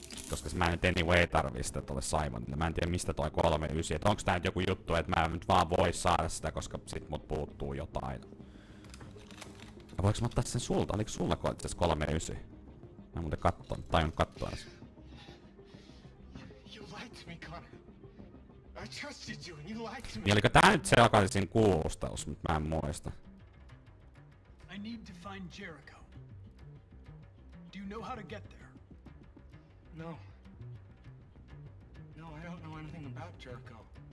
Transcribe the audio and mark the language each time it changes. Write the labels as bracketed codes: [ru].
[fi] Koska mä en nyt anyway tarvii sitä tolle Simonille. Mä en tiedä mistä toi 3.9. Että onks tää nyt joku juttu, että mä nyt vaan voi saada sitä, koska sit mut puuttuu jotain. Ja voinko mä ottaa sen sulta? Oliko sulla itseasiassa 3.9? Mä en muuten tajunnut kattoa ensin. [en] You lied to me, Connor. I trusted you and you lied to me. [fi] Niin oliko tää nyt se joka oli siinä kuulustelussa, mut mä en muista. [en] I need to find Jericho. Do you know how to get there? No. No, I don't know anything about Jericho.